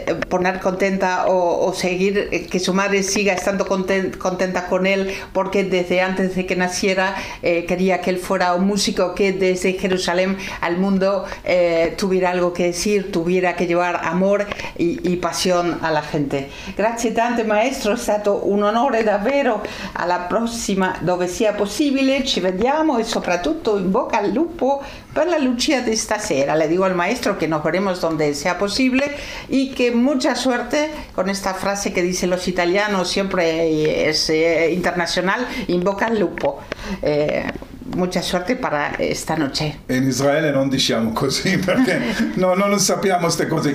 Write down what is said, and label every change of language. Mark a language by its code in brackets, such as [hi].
[es] poner contenta o seguir, que su madre siga estando contenta con él, porque desde antes de que naciera quería que él fuera un músico que desde Jerusalén al mundo tuviera algo que decir, tuviera que llevar amor y pasión a la gente. [it] Grazie tante maestro, è stato un onore davvero. Alla prossima, dove sia possibile, ci vediamo e soprattutto in bocca al lupo per la Lucia di stasera. [es] Le digo al maestro che nos veremos donde sea posible y que mucha suerte con esta frase que dicen los italianos, siempre es internacional, [it] in bocca al lupo. [es] mucha suerte para esta noche. [it] En Israel no diciamo così, perché no sappiamo queste cose.